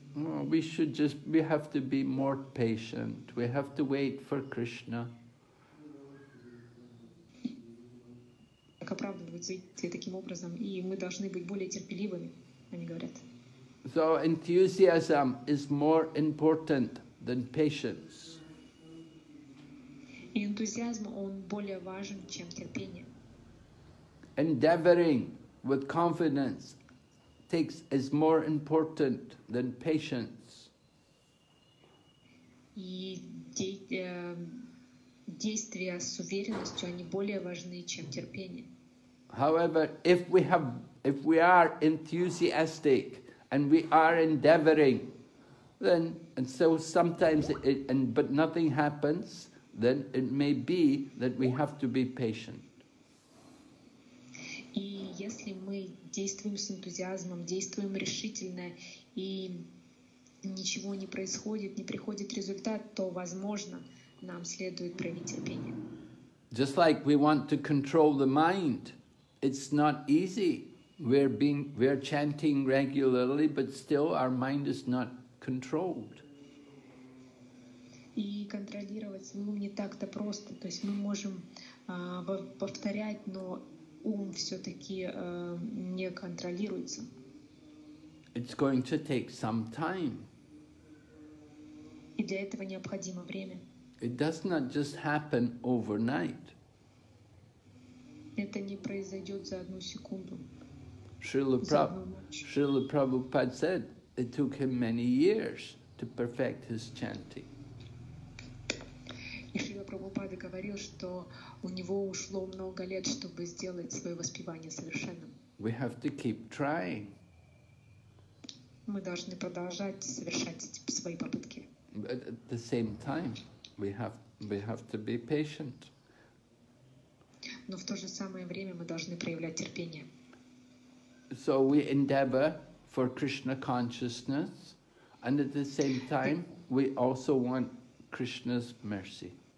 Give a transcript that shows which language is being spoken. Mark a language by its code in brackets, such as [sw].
[en] We should just, we have to be more patient. We have to wait for Krishna. [ru] Так оправдываются таким образом, и мы должны быть более терпеливыми, они говорят. [en] So enthusiasm is more important than patience. [ru] И энтузиазм, он более важен, чем терпение. [en] Endeavoring with confidence takes is more important than patience. [ru] И действия с уверенностью, они более важны, чем терпение. [en] However, if we are enthusiastic and we are endeavoring, then, and so sometimes, but nothing happens, then it may be that we have to be patient. [ru] И если мы действуем с энтузиазмом, действуем решительно, и ничего не происходит, не приходит результат, то, возможно, нам следует проявить терпение. [en] Just like we want to control the mind, it's not easy. We're chanting regularly, but still our mind is not controlled. [ru] И контролировать свой ум не так-то просто. То есть мы можем повторять, но ум все-таки не контролируется. [en] It's going to take some time. [ru] И для этого необходимо время. [en] It does not just happen overnight. [ru] Это не произойдет за одну секунду. [en] Srila Prabhupada said it took him many years to perfect his chanting. [ru] И Шрила Прабхупада говорил, что у него ушло много лет, чтобы сделать свое воспевание совершенным. [en] We have to keep trying. [ru] Мы должны продолжать совершать свои попытки. [en] But at the same time, we have to be patient. [ru] Но в то же самое время мы должны проявлять терпение. [en] So we endeavor for Krishna consciousness, and at the same time, we also want Krishna's mercy.